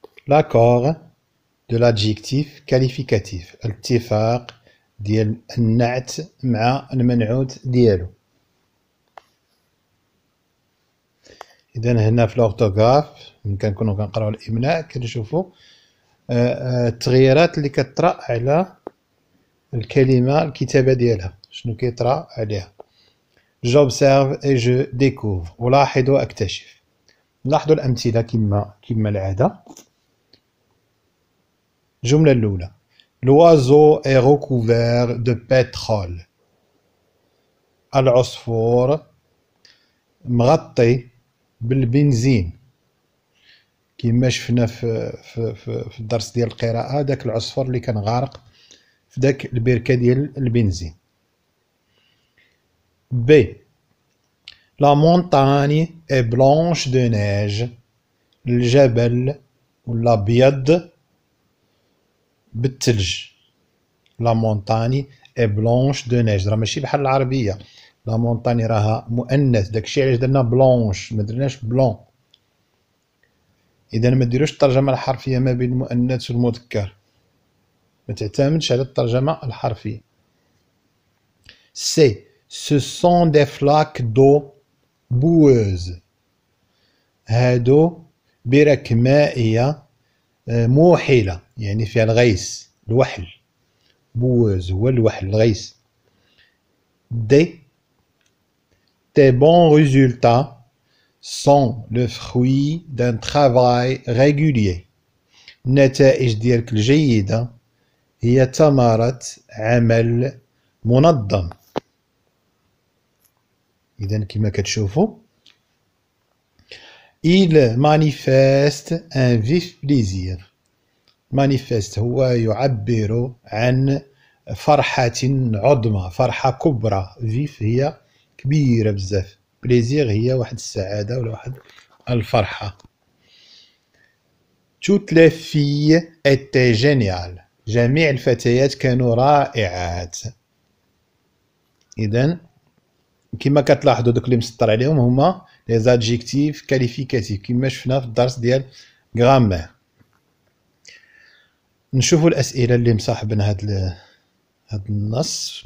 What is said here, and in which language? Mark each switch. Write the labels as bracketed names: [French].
[French] L'accord de l'adjectif qualificatif. [Arabic] Al-tifaq ديال النعت مع المنعوت ديالو. إذا هنا في الأورتوغراف من كان كنا كنقرأوا الإملاء كنشوفوا التغييرات اللي كتطرأ على الكلمة الكتابة ديالها شنو كيطرأ عليها. [French] J'observe et je découvre. [Arabic] ألاحظ وأكتشف. لاحظوا الأمثلة كما العادة. الجملة الأولى: [French] L'oiseau est recouvert de pétrole. [Arabic] العصفور مغطي بالبنزين. كما شفنا في الدرس ديال القراءة، داك العصفور اللي كان غارق في داك البركة ديال البنزين. [French] ب La montagne est blanche de neige. [Arabic] الجبل ولا بيض بالثلج. [French] La montagne est blanche de neige. [Arabic] راه ماشي بحال العربية. La montagne راها مؤنث. داكشي علاش درنا بلونش ما درناش بلون. إذا ما ديروش الترجمة الحرفية ما بين المؤنث والمذكر. ما تعتمدش على الترجمة الحرفية. [French] سي Ce sont des flaques d'eau boueuse. [Arabic] هادو برك مائية موحلة، يعني فيها الغيث الوحل. بوز هو الوحل الغيث. [French] دي تي بون ريزولتا سون لو فروي دان ترافاي ريغولي. [Arabic] النتائج ديالك الجيدة هي ثمرة عمل منظم. إذن كما كتشوفوا [French] il manifeste un vif plaisir. [Arabic] manifeste هو يعبر عن فرحة عظمى، فرحة كبرى. vif هي كبيرة بزاف. plaisir هي واحد السعادة ولا واحد الفرحة. [French] toutes les filles étaient géniales. [Arabic] جميع الفتيات كانوا رائعات. إذن كما كتلاحظوا دوك اللي مسطر عليهم هما [French] لي زادجيكتيف كاليفيكاتيف [Arabic] كما شفنا في الدرس ديال غرامير. نشوفوا الاسئله اللي مصاحبنا هذا النص.